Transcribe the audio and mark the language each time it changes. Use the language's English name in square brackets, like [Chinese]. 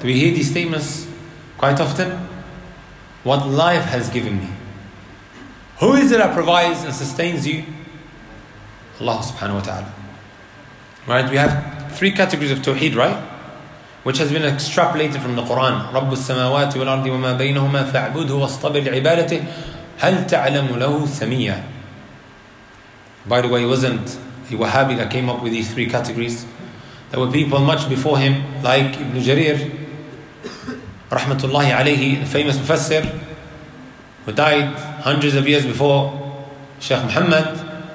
[English] Do we hear these statements quite often? What life has given me. Who is it that provides and sustains you? Allah subhanahu wa ta'ala. Right? We have three categories of tawheed, right? Which has been extrapolated from the Quran. [Arabic] رب السماوات والأرض وما بينهما فاعبده واصطبر لعبادته هل تعلم له سميا. [English] By the way, it wasn't a Wahhabi that came up with these three categories. There were people much before him, like Ibn Jarir, Rahmatullahi alayhi, the famous Mufassir, who died hundreds of years before Sheikh Muhammad.